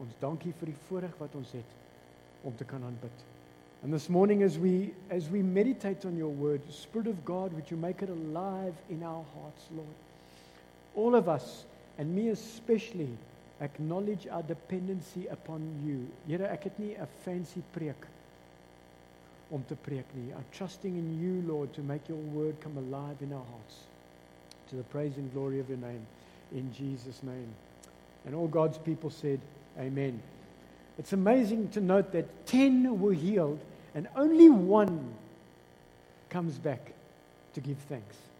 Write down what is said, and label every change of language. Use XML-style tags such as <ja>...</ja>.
<af>Ons dankie vir die voorreg wat ons het om te kan aanbid.</af> <en>And this morning as we meditate on your word, Spirit of God, would you make it alive in our hearts, Lord? All of us, and me especially, acknowledge our dependency upon you.</en> <af>Here, ek het nie 'n fancy preek om te preek nie.</af> <en>I'm trusting in you, Lord, to make your word come alive in our hearts. To the praise and glory of your name, in Jesus' name. And all God's people said, Amen. It's amazing to note that 10 were healed and only one comes back to give thanks.</en>